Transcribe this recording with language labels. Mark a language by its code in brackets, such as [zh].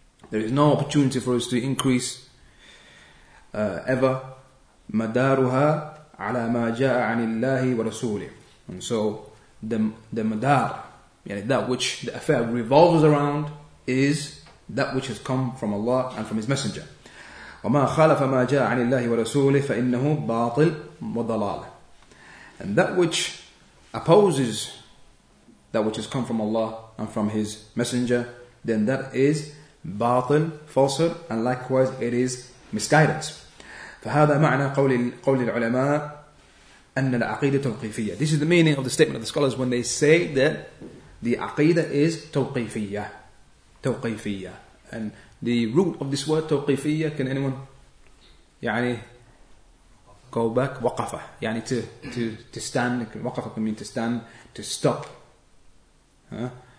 [en] There is no opportunity for us to increase ever. [ar] مدارها على ما جاء عن الله ورسوله. [en] And so the madar, يعني that which the affair revolves around is that which has come from Allah and from His Messenger. [ar] وما خالف ما جاء عن الله ورسوله فإنه باطل وضلال. [en] And that which opposes that which has come from Allah and from His Messenger, then that is باطل, falsehood, and likewise it is misguidance. [ar] فهذا معنى قول العلماء أن العقيدة توقيفية. [en] This is the meaning of the statement of the scholars when they say that the aqidah is توقيفية. توقيفية. And the root of this word توقيفية, can anyone يعني go back? وقفة. يعني to stand. وقفة can mean to stand, to stop. Huh?